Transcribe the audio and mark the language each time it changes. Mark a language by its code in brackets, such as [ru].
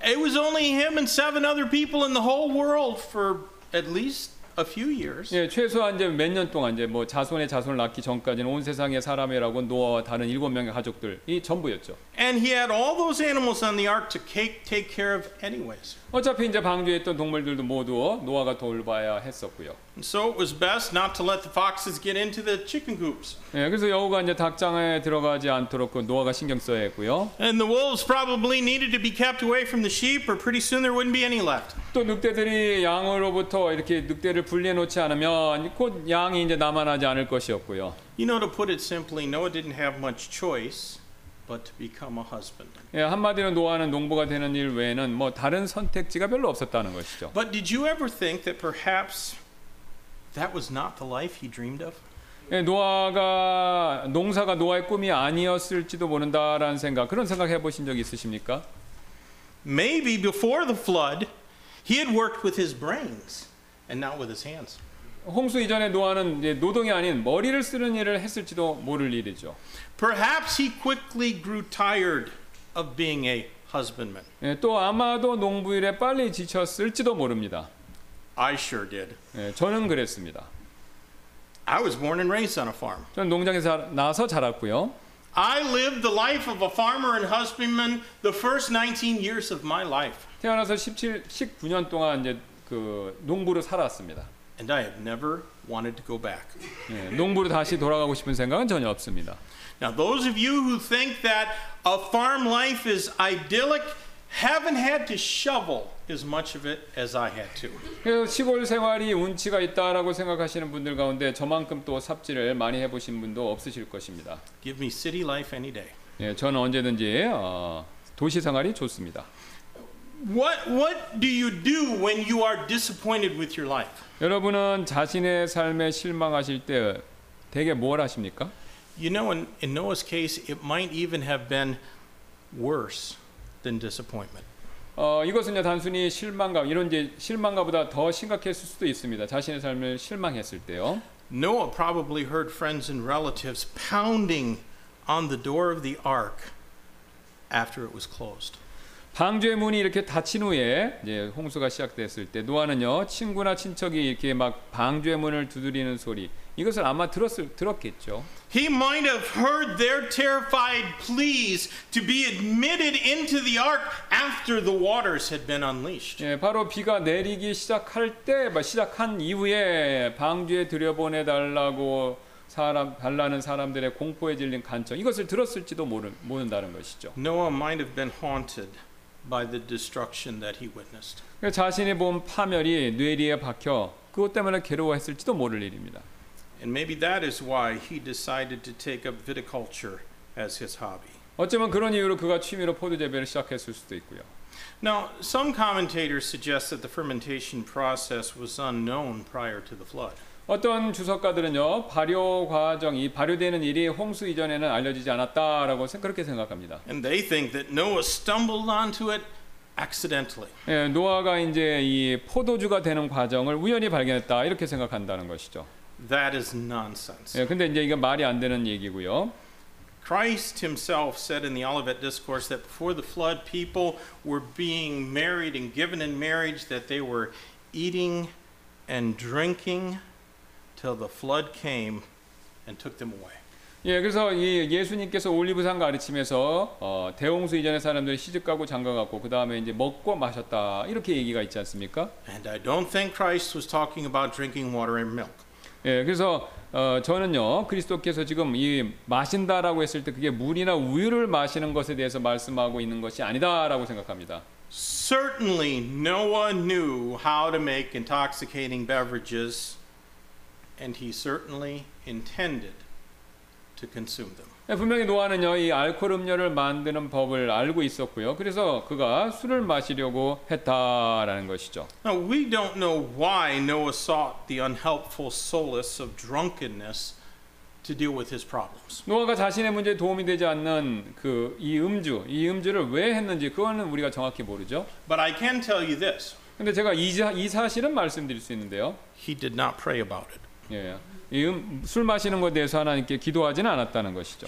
[en] It was only him and seven other people in the whole world for at least a few years. [ko] 예, 최소한 이제 몇 년 동안 이제 뭐 자손의 자손을 낳기 전까지는 온 세상의 사람이라고 노아와 다른 일곱 명의 가족들이 전부였죠. [en] And he had all those animals on the ark to take care of anyways. [ko] 어차피 이제 방주에 있던 동물들도 모두 노아가 돌봐야 했었고요. [en] And so it was best not to let the foxes get into the chicken coops. [ko] 예, 그래서 여우가 이제 닭장에 들어가지 않도록 그 노아가 신경 써야 했고요. [en] And the wolves probably needed to be kept away from the sheep, or pretty soon there wouldn't be any left. [ko] 또 늑대들이 양으로부터 이렇게 늑대를 분리해 놓지 않으면 곧 양이 이제 남아나지 않을 것이었고요. [en] You know, to put it simply, Noah didn't have much choice but to become a husband. [ko] 예, 한마디로 노아는 농부가 되는 일 외에는 뭐 다른 선택지가 별로 없었다는 것이죠. [en] But did you ever think that perhaps that was not the life he dreamed of? [ko] 예, 노아가 농사가 노아의 꿈이 아니었을지도 모른다라는 생각, 그런 생각 해보신 적 있으십니까? [en] Maybe before the flood, he had worked with his brains and not with his hands. [ko] 홍수 이전에 노아는 이제 노동이 아닌 머리를 쓰는 일을 했을지도 모를 일이죠. [en] Perhaps he quickly grew tired of being a husbandman. [ko] 예, 또 아마도 농부 일에 빨리 지쳤을지도 모릅니다. [en] I sure did. [ko] 예, 저는 그랬습니다. [en] I was born and raised on a farm. [ko] 저는 농장에서 나서 자랐고요. [en] I lived the life of a farmer and husbandman the first 19 years of my life. [ko] 태어나서 19년 동안 이제 그 농부로 살았습니다. [en] And I have never wanted to go back. [ko] 예, 농부로 다시 돌아가고 싶은 생각은 전혀 없습니다. [en] Now those of you who think that a farm life is idyllic haven't had to shovel as much of it as I had to. [ko] 시골 생활이 운치가 있다라고 생각하시는 분들 가운데 저만큼 또 삽질을 많이 해보신 분도 없으실 것입니다. [en] Give me city life any day. [ko] 예, 저는 언제든지 도시 생활이 좋습니다. [en] What do you do when you are disappointed with your life? [ko] 여러분은 자신의 삶에 실망하실 때 대개 뭘 하십니까? [en] You know, in Noah's case, it might even have been worse than disappointment. [ko] 이것은 단순히 실망감, 이런 이제 실망감보다 더 심각했을 수도 있습니다. 자신의 삶을 실망했을 때요. [en] Noah probably heard friends and relatives pounding on the door of the ark after it was closed. [ko] 방주의 문이 이렇게 닫힌 후에 이제 홍수가 시작됐을 때 노아는요 친구나 친척이 이렇게 막 방주의 문을 두드리는 소리 이것을 아마 들었겠죠. [en] He might have heard their terrified pleas to be admitted into the ark after the waters had been unleashed. [ko] 예, 바로 비가 내리기 시작할 때, 막 시작한 이후에 방주에 들여보내 달라고 달라는 사람들의 공포에 질린 간청 이것을 들었을지도 모른다는 것이죠. [en] Noah might have been haunted by the destruction that he witnessed. [ko] 자신이 본 파멸이 뇌리에 박혀 그것 때문에 괴로워했을지도 모를 일입니다. [en] And maybe that is why he decided to take up viticulture as his hobby. [ko] 어쩌면 그런 이유로 그가 취미로 포도 재배를 시작했을 수도 있고요. [en] Now, some commentators suggest that the fermentation process was unknown prior to the flood. [ko] 어떤 주석가들은요, 발효 과정이 발효되는 일이 홍수 이전에는 알려지지 않았다라고 그렇게 생각합니다. [en] And they think that Noah stumbled onto it accidentally. [ko] 예, 노아가 이제 이 포도주가 되는 과정을 우연히 발견했다 이렇게 생각한다는 것이죠. [en] That is nonsense. [ko] 예, 근데 이제 이건 말이 안 되는 얘기고요. [en] Christ himself said in the Olivet Discourse that before the flood people were being married and given in marriage that they were eating and drinking till the flood came and took them away. [ko] 예, 그래서 이 예수님께서 올리브산 가르침에서 대홍수 이전의 사람들이 시집가고 장가갔고 그 다음에 이제 먹고 마셨다 이렇게 얘기가 있지 않습니까? [en] And I don't think Christ was talking about drinking water and milk. [ko] 예, 그래서 저는요 그리스도께서 지금 이 마신다라고 했을 때 그게 물이나 우유를 마시는 것에 대해서 말씀하고 있는 것이 아니다라고 생각합니다. [en] Certainly, no one knew how to make intoxicating beverages, and he certainly intended to consume them. [ko] 예, 분명히 노아는요 이 알코올 음료를 만드는 법을 알고 있었고요. 그래서 그가 술을 마시려고 했다라는 것이죠. [en] Now, we don't know why Noah sought the unhelpful solace of drunkenness to deal with his problems. [ko] 노아가 자신의 문제에 도움이 되지 않는 그 이 음주를 왜 했는지 그거는 우리가 정확히 모르죠. [en] But I can tell you this. [ko] 근데 제가 이 사실은 말씀드릴 수 있는데요. [en] He did not pray about it. [ko] 예. 술 마시는 것에 대해서 하나님께 기도하지는 않았다는 것이죠.